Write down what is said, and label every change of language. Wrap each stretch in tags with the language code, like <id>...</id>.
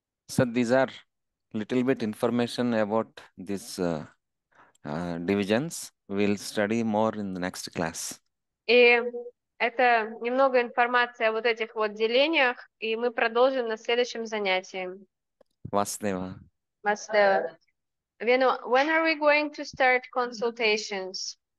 <en>So these are little bit information about these divisions. We'll study more in the next class.</en> <ru>И это немного информации о вот этих вот делениях, и мы продолжим на следующем занятии. Васнева. Васнева.</ru> <en>When are we going to start consultations?</en>